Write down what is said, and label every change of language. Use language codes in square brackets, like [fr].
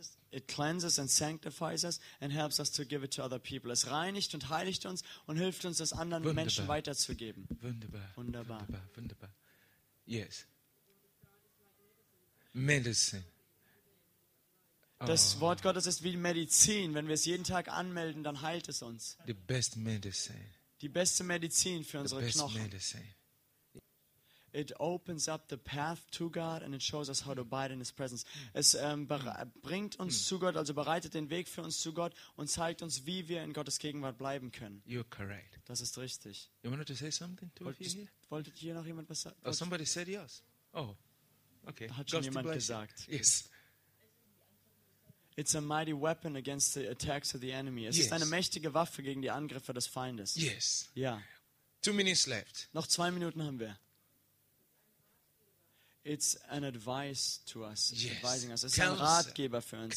[en] It cleanses and sanctifies us and helps us to give it to other people. [de] Es reinigt und heiligt uns und hilft uns, das anderen wunderbar. Menschen weiterzugeben. Wunderbar. Yes. [en] Medicine. [de] Das Wort Gottes ist wie Medizin. Wenn wir es jeden Tag anmelden, dann heilt es uns. [en] The best medicine. [de] Die beste Medizin für unsere [en] the best [de] Knochen. [en] Medicine. It opens up the path to God and it shows us how to abide in His presence. [de] Es bringt uns zu Gott, also bereitet den Weg für uns zu Gott und zeigt uns, wie wir in Gottes Gegenwart bleiben können. [en] You're correct. [de] Das ist richtig. [en] You wanted to say something to [de] wolltet, [en] you here? [de] Wolltet hier noch jemand was sagen? [en] Oh, somebody said yes. Oh, okay. [de] Hat schon jemand gesagt. [en] Yes. It's a mighty weapon against the attacks of the enemy. [de] Es [en] yes. [de] ist eine mächtige Waffe gegen die Angriffe des Feindes. [en] Yes. [de] Ja. [en] 2 minutes left. [de] Noch 2 Minuten haben wir. [en] It's an advice to us. Yes. Advising us. [de] Es ist ein Ratgeber für uns.